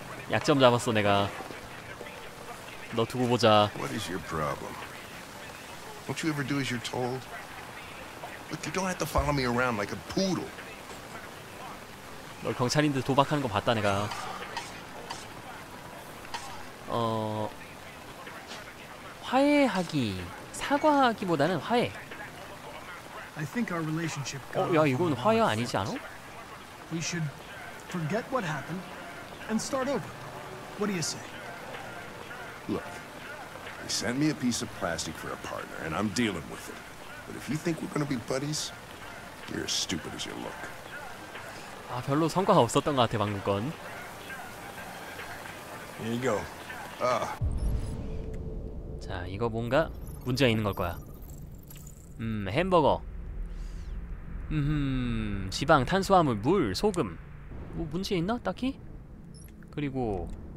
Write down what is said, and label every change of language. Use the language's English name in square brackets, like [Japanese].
[Korean] 약점 잡았어 내가. 너 두고 보자. [English] What is your problem? Don't you ever do as you're told? Look, you don't have to follow me around like a poodle. [Korean] 너 경찰인데 도박하는 거 봤다 내가. 어, 화해하기. 사과하기보다는 화해. [English] I think our relationship got. [Korean] 어, 야, 이건 화해 아니지 않아? [English] We should forget what happened and start over. What do you say? Look. You sent me a piece of plastic for a partner and I'm dealing with it. But if you think we're going to be buddies, you're as stupid as you look. [Korean] 아, 별로 성과가 없었던 것 같아 방금 건. [English] Here you go. 아. [Korean] 자, 이거 뭔가 문제가 있는 걸 거야. 햄버거. 지방, 탄수화물, 물, 소금. 뭐 문제 있나? 딱히? 그리고